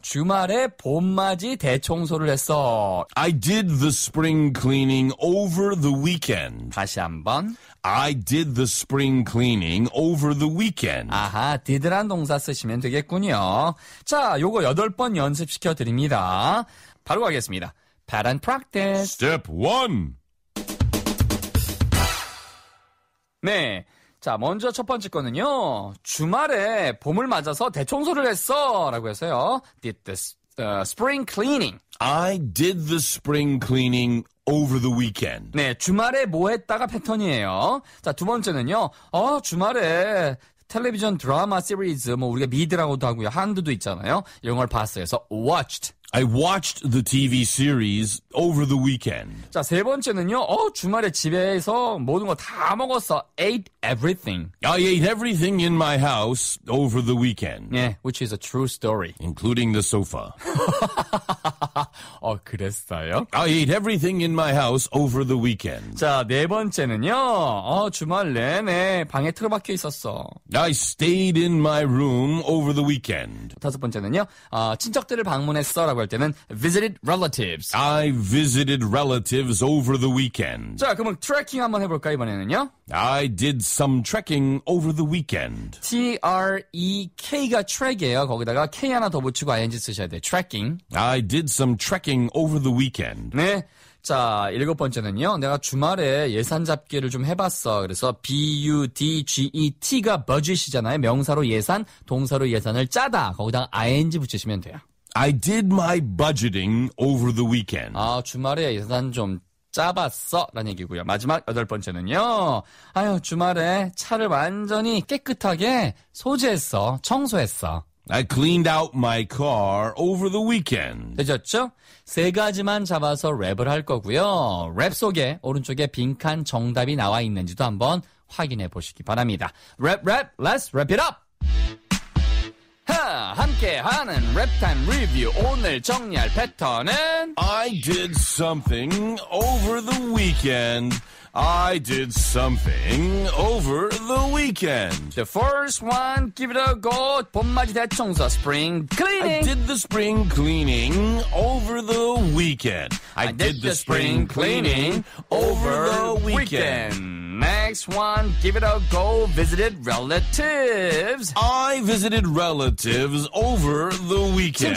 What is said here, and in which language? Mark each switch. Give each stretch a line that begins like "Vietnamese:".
Korean: 주말에 봄맞이 대청소를 했어.
English: I did the spring cleaning over the weekend.
Korean: 다시 한번.
English: I did the spring cleaning over the weekend.
Korean: 아하, did란 동사 쓰시면 되겠군요. 자, 요거 8번 연습시켜 드립니다. 바로 가겠습니다.
English: Pattern practice. Step 1.
Korean: 네. 자, 먼저 첫 번째 거는요. 주말에 봄을 맞아서 대청소를 했어. 라고 해서요.
English: Did the spring cleaning. I did the spring cleaning over the weekend.
Korean: 네, 주말에 뭐 했다가 패턴이에요. 자, 두 번째는요. 주말에 텔레비전 드라마 시리즈, 뭐 우리가 미드라고도 하고요. 한드도 있잖아요. 이런 걸 봤어요. 그래서 watched.
English: I watched the TV series over the weekend.
Korean: 자, 세 번째는요. 주말에 집에서 모든 거 다 먹었어.
English: Ate everything. I ate everything in my house over the weekend. 네, which is a true story. Including the sofa.
Korean: 그랬어요?
English: I ate everything in my house over the weekend.
Korean: 자, 네 번째는요. 주말 내내 방에 틀어박혀 있었어.
English: I stayed in my room over the weekend.
Korean: 다섯 번째는요. 친척들을 방문했어라고. 할 때는
English: visited relatives. I visited relatives over the weekend.
Korean: 자, 그럼 트레킹 한번 해볼까 이번에는요?
English: I did some trekking over the weekend.
Korean: T-R-E-K가 트랙이에요. 거기다가 K 하나 더 붙이고 ING 쓰셔야 돼요.
English: Trekking. I did some trekking over the weekend.
Korean: 네. 자, 일곱 번째는요. 내가 주말에 예산 잡기를 좀 해봤어. 그래서 B-U-D-G-E-T가 budget이잖아요. 명사로 예산, 동사로 예산을 짜다. 거기다가 ING 붙이시면 돼요.
English: I did my budgeting over the weekend.
Korean: 아, 주말에 예산 좀 짜봤어. 라는 얘기고요. 마지막 여덟 번째는요. 아유, 주말에 차를 완전히 깨끗하게 소재했어. 청소했어.
English: I cleaned out my car over the weekend.
Korean: 되셨죠? 세 가지만 잡아서 랩을 할 거고요. 랩 속에 오른쪽에 빈칸 정답이 나와 있는지도 한번 확인해 보시기 바랍니다.
English: 랩, 랩, let's wrap it up!
Korean: 함께하는 랩타임 리뷰 오늘 정리할 패턴은
English: I did something over the weekend. I did something over the weekend. The first one, give it a go.
Korean: 봄맞이 대청소,
English: spring cleaning. I did the spring cleaning over the weekend. I did the spring cleaning over the weekend. Next one, give it a go. Visited relatives. I visited relatives over the weekend.